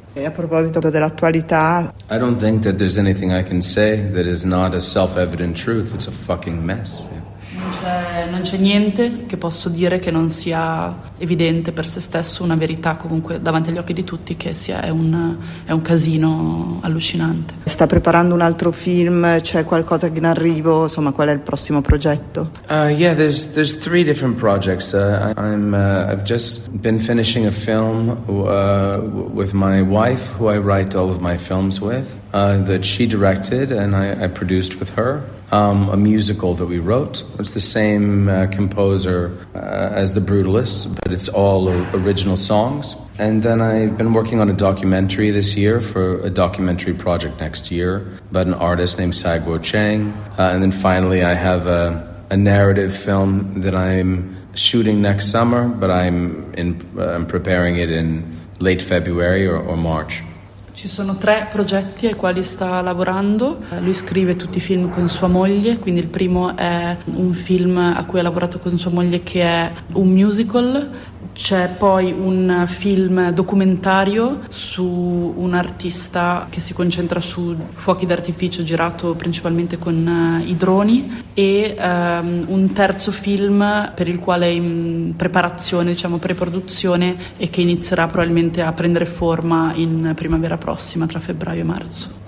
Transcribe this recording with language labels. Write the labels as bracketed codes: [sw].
[it] E a proposito dell'attualità, [en] I don't think that there's anything I can say that is not a self-evident truth. It's a fucking mess. [it] Non non c'è niente che posso dire che non sia evidente per se stesso, una verità comunque davanti agli occhi di tutti, che sia è un casino allucinante. Sta preparando un altro film? C'è qualcosa in arrivo? Insomma, qual è il prossimo progetto? [en] There's three different projects. I've just been finishing a film with my wife, who I write all of my films with, that she directed and I produced with her. A musical that we wrote. It's the same composer as The Brutalists, but it's all original songs. And then I've been working on a documentary this year for a documentary project next year about an artist named Sai Guo Cheng. And then finally I have a narrative film that I'm shooting next summer, but I'm preparing it in late February or March. [it] Ci sono tre progetti ai quali sta lavorando. Lui scrive tutti i film con sua moglie, quindi il primo è un film a cui ha lavorato con sua moglie che è un musical. C'è poi un film documentario su un artista che si concentra su fuochi d'artificio girato principalmente con i droni e un terzo film per il quale è in preparazione, diciamo preproduzione, e che inizierà probabilmente a prendere forma in primavera prossima, tra febbraio e marzo.